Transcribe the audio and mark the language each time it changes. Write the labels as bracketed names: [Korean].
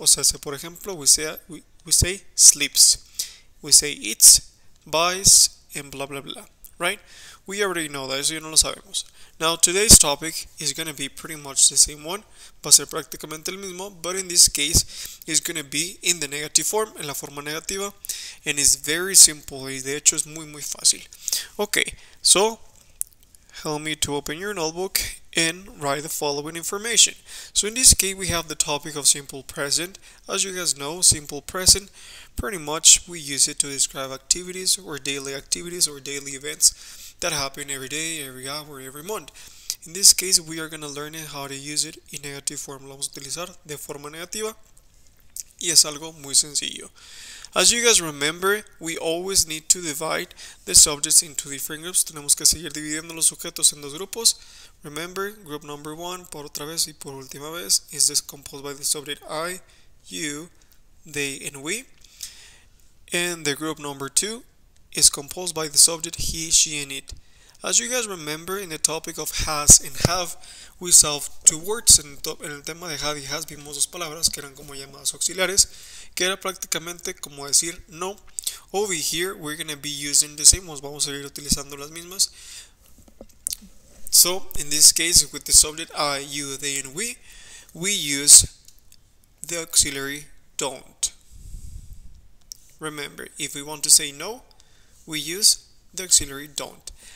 [Spanish] O sea, si por ejemplo, [English] we say sleeps. We say eats, buys, and blah, blah, blah, right? We already know that, so you [Spanish] no lo sabemos. [English] Now, today's topic is going to be pretty much the same one. [Spanish] Va a ser prácticamente el mismo, [English] but in this case, it's going to be in the negative form, [Spanish] en la forma negativa, [English] and it's very simple, [Spanish] y de hecho es muy, muy fácil. [English] Okay, so, help me to open your notebook and write the following information. So, in this case, we have the topic of simple present. As you guys know, simple present, pretty much, we use it to describe activities or daily events that happen every day, every hour, every month. In this case, we are going to learn how to use it in negative form. [Spanish] Lo vamos a utilizar de forma negativa. Y es algo muy sencillo. [English] As you guys remember, we always need to divide the subjects into different groups. [Spanish] Tenemos que seguir dividiendo los sujetos en dos grupos. [English] Remember, group number one, [Spanish] por otra vez y por última vez, [English] is decomposed by the subject I, you, they, and we. And the group number two is composed by the subject he, she, and it. As you guys remember, in the topic of has and have, we saw two words. [Spanish] En el tema de have y has, vimos dos palabras que eran como llamadas auxiliares, que era prácticamente como decir no. [English] Over here, we're going to be using the same ones. [Spanish] Vamos a ir utilizando las mismas. [English] So, in this case, with the subject I, you, they, and we use the auxiliary don't. Remember, if we want to say no, we use the auxiliary don't.